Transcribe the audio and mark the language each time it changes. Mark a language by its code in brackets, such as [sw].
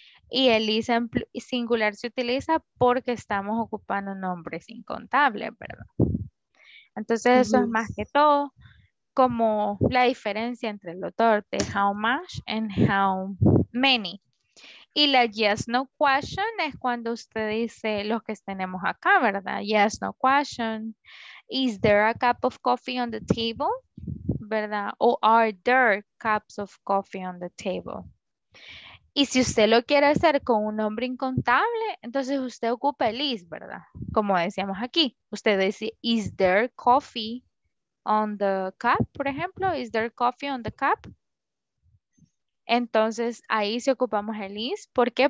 [es] Y el is en singular se utiliza porque estamos ocupando nombres incontables, ¿verdad? Entonces eso es más que todo como la diferencia entre los dos, de [en] how much and how many. [es] Y la [en] yes, no question [es] es cuando usted dice los que tenemos acá, ¿verdad? [en] Yes, no question. Is there a cup of coffee on the table? [es] ¿Verdad? O [en] are there cups of coffee on the table? [es] Y si usted lo quiere hacer con un nombre incontable, entonces usted ocupa el is, ¿verdad? Como decíamos aquí. Usted dice, [en] is there coffee on the cup, [es] por ejemplo? [en] Is there coffee on the cup? [es] Entonces, ahí sí ocupamos el is. ¿Por qué?